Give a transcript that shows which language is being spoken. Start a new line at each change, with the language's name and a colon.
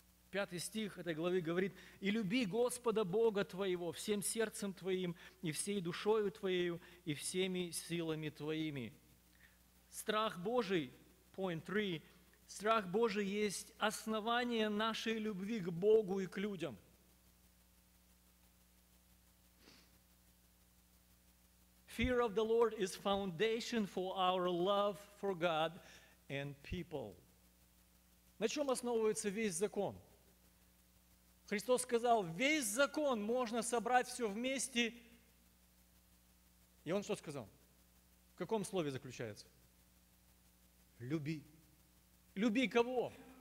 Russian: Пятый стих этой главы говорит, «И люби Господа Бога твоего всем сердцем твоим, и всей душою твоею, и всеми силами твоими». Страх Божий,
English: point three,
Russian: страх Божий есть основание нашей любви к Богу и к людям.
English: Fear of the Lord is foundation for our love for God and people.
Russian: На чем основывается весь закон? Христос сказал, весь закон можно собрать все вместе. И Он что сказал? В каком слове заключается? Люби. Люби кого?